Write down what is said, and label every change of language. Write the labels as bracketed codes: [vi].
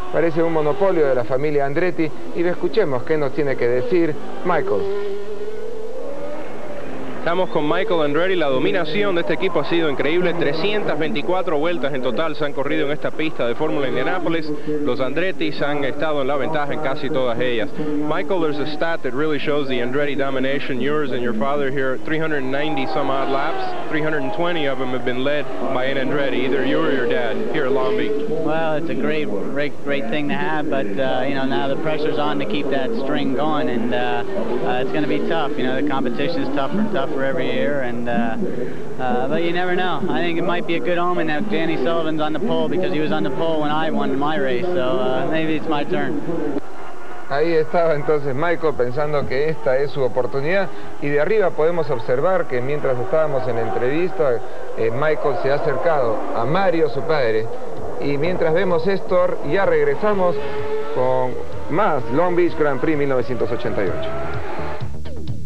[es] Parece un monopolio de la familia Andretti, y escuchemos qué nos tiene que decir Michael. Estamos con Michael Andretti. La dominación de este equipo ha sido increíble. 324 vueltas en total se han corrido en esta pista de Fórmula Indianapolis. Los Andretti han estado en la ventaja en casi todas ellas. [en] Michael, there's a stat that really shows the Andretti domination, yours and your father here. 390 some odd laps, 320 of them have been led by an Andretti, either you or your dad here at Long Beach. Well, it's a great thing to have, but now the pressure's on to keep that string going, and it's going to be tough. You know, the competition is tougher and tougher every year, and but you never know. I think it might be a good omen that Danny Sullivan's on the pole, because he was on the pole when I won my race, so maybe it's my turn. [es] Ahí estaba entonces Michael pensando que esta es su oportunidad, y de arriba podemos observar que mientras estábamos en entrevista, Michael se ha acercado a Mario, su padre, y mientras vemos esto, ya regresamos con más Long Beach Grand Prix 1988.